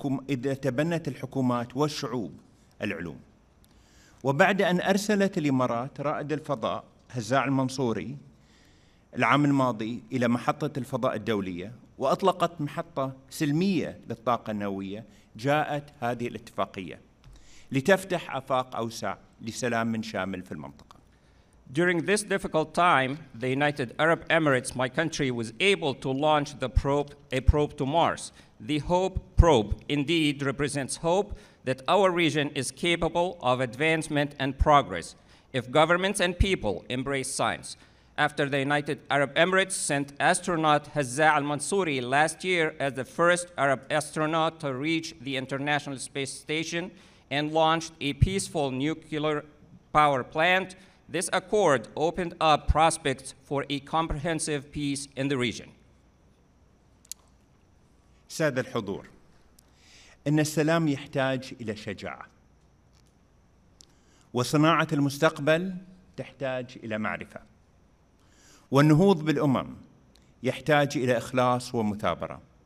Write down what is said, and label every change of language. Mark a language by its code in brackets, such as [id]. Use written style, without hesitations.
[ar] إذا تبنت الحكومات والشعوب العلوم. وبعد أن أرسلت الإمارات رائد الفضاء هزاع المنصوري العام الماضي إلى محطة الفضاء الدولية وأطلقت محطة سلمية للطاقة النووية جاءت هذه الاتفاقية لتفتح آفاق أوسع لسلام من شامل في المنطقة. [en] During this difficult time, the United Arab Emirates, my country, was able to launch a probe to Mars. The Hope probe indeed represents hope that our region is capable of advancement and progress if governments and people embrace science. After the United Arab Emirates sent astronaut Hazza al-Mansouri last year as the first Arab astronaut to reach the International Space Station and launched a peaceful nuclear power plant, this accord opened up prospects for a comprehensive peace in the region. [ar] سادة الحضور، إن السلام يحتاج إلى شجاعة، وصناعة المستقبل تحتاج إلى معرفة. والنهوض بالأمم يحتاج إلى إخلاص ومثابرة.